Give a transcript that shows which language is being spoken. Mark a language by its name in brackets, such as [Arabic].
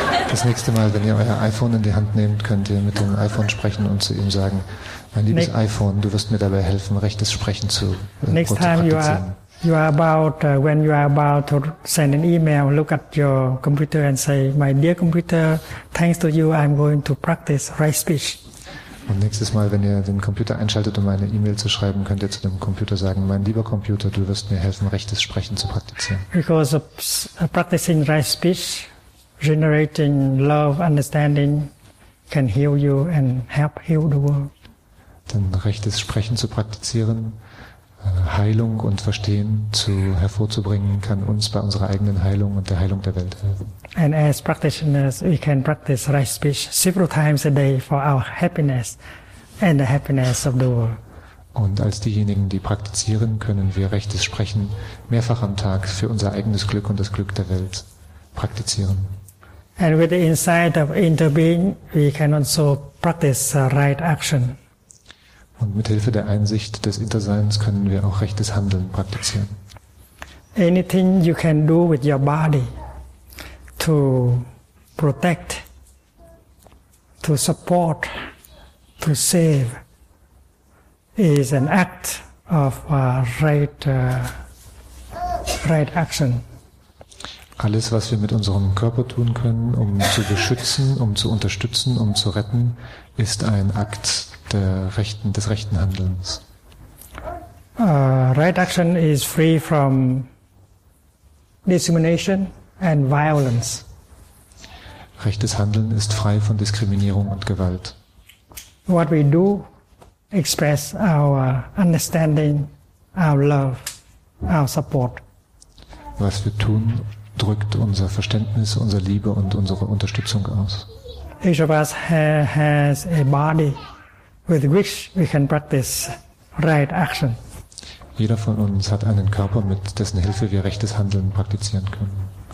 [German] Das nächste Mal, wenn ihr euer iPhone in die Hand nehmt, könnt ihr mit dem iPhone sprechen und zu ihm sagen, mein liebes iPhone, du wirst mir dabei helfen, rechtes Sprechen zu praktizieren. [English] Next time when you are about to send an email, look at your computer and say, my dear computer, thanks to you, I'm going to practice right speech. [German] Und nächstes Mal, wenn ihr den Computer einschaltet, um eine E-Mail zu schreiben, könnt ihr zu dem Computer sagen, mein lieber Computer, du wirst mir helfen, rechtes Sprechen zu praktizieren. [English] Because of practicing right speech, generating love, understanding, can heal you and help heal the world. [German] Denn rechtes Sprechen zu praktizieren, Heilung und Verstehen hervorzubringen, kann uns bei unserer eigenen Heilung und der Heilung der Welt helfen. [English] And as practitioners, we can practice right speech several times a day for our happiness and the happiness of the world. [German] Und als diejenigen, die praktizieren, können wir rechtes Sprechen mehrfach am Tag für unser eigenes Glück und das Glück der Welt praktizieren. [English] And with the insight of interbeing, we can also practice right action. [German] Und mit Hilfe der Einsicht des Interseins können wir auch rechtes Handeln praktizieren. [English] Anything you can do with your body to protect, to support, to save is an act of right action. [German] Alles, was wir mit unserem Körper tun können, um zu beschützen, um zu unterstützen, um zu retten, ist ein Akt des rechten Handelns. [English] Right action is free from discrimination and violence. [German] Rechtes Handeln ist frei von Diskriminierung und Gewalt. [English] What we do express our understanding, our love, our support. [German] Was wir tun, drückt unser Verständnis, unsere Liebe und unsere Unterstützung aus. [English] Each of us has a body with which we can practice right action. [German] Jeder von uns hat einen Körper, mit dessen Hilfe wir rechtes Handeln praktizieren können.